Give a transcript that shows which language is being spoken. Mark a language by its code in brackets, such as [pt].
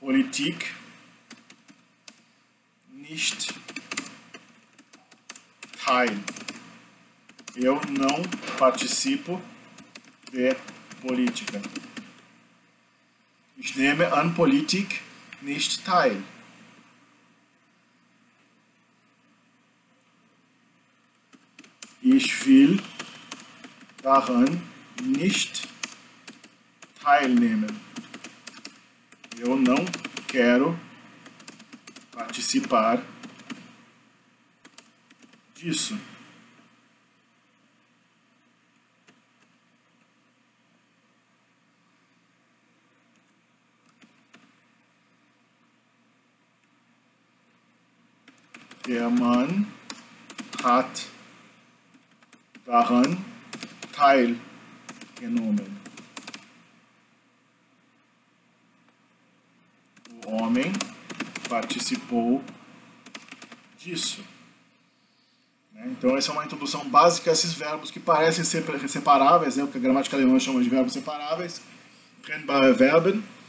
[de] tick nicht teil. [pt] Eu não participo de política. [de] Ich nehme an Politik nicht teil. Ich will daran nicht teilnehmen. [pt] Eu não quero participar disso. [de] Der Mann hat daran teilgenommen. [pt] O homem participou disso. Então, essa é uma introdução básica a esses verbos que parecem ser separáveis, né? O que a gramática alemã chama de verbos separáveis, trennbare Verben.